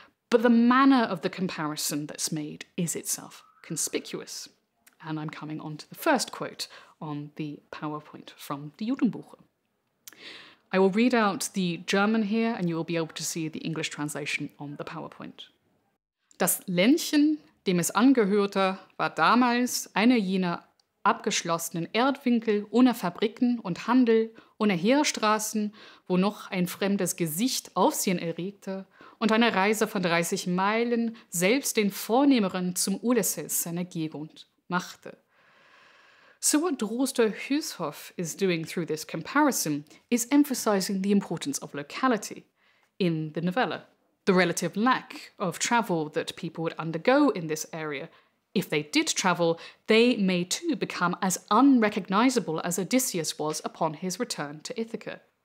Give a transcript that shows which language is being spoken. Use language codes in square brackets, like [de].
[en] But the manner of the comparison that's made is itself conspicuous. And I'm coming on to the first quote on the PowerPoint from the Judenbuche. I will read out the German here, and you will be able to see the English translation on the PowerPoint. [de] Das Ländchen, dem es angehörte, war damals eine jener abgeschlossenen Erdwinkel ohne Fabriken und Handel, ohne Heerstraßen, wo noch ein fremdes Gesicht Aufsehen erregte und eine Reise von 30 Meilen selbst den Vornehmeren zum Ulysses seiner Gegend machte. [en] So what Drosterhülshoff is doing through this comparison is emphasizing the importance of locality in the novella, the relative lack of travel that people would undergo in this area. If they did travel, they may too become as unrecognizable as Odysseus was upon his return to Ithaca.